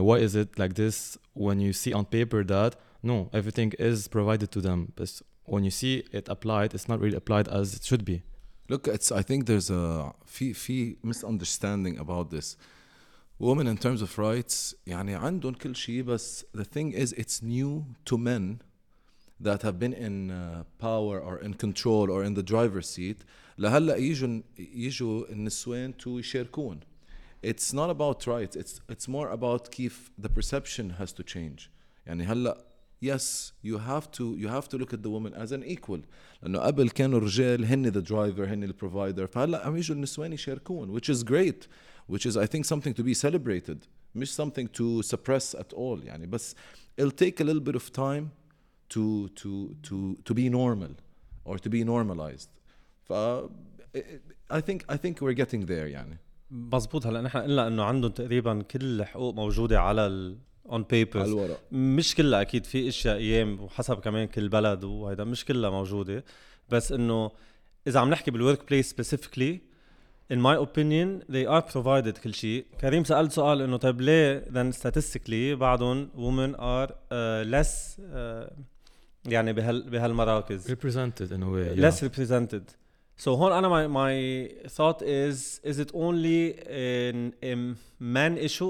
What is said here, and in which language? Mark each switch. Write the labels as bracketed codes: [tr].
[en] Why is it like this when you see on paper that, no, everything is provided to them, but when you see it applied, it's not really applied as it should be? Look, I think there's a fee misunderstanding about this. Women in terms of rights, [ar] يعني عندهم كل شيء, [en] but the thing is, it's new to men that have been in power or in control or in the driver's seat. [ar] لهلا يجوا النسوان [en] to [ar] يشاركون. [en] It's not about rights. It's more about [ar] كيف [en] the perception has to change. [ar] يعني هلا, [en] yes, you have to look at the woman as an equal. [ar] لأنه قبل كانوا الرجال هني [en] the driver, [ar] هني [en] the provider. [ar] فهلا عم يجوا النسوان يشاركون, [en] which is great. Which is, I think, something to be celebrated, not something to suppress at all. [ar] يعني, [en] but it'll take a little bit of time to be normal or to be normalized. I think we're getting there. [ar] يعني. مزبوط. هلا نحن قلنا إنه عندهم تقريبا كل حقوق موجودة على ال [en] on papers. [ar] مش كلها أكيد, في أشياء أيام وحسب كمان كل بلد وهيدا مش كلها موجودة, بس إنه إذا عم نحكي بال [en] work place specifically. In my opinion, they are provided [ar] كل شيء. كريم سأل سؤال إنه طيب ليه [en] then statistically [ar] بعضهم [en] women are less [ar] يعني بهالمراكز [en] represented in a way. Yeah. Less represented. So [ar] هون أنا [en] my thought is it only a man issue?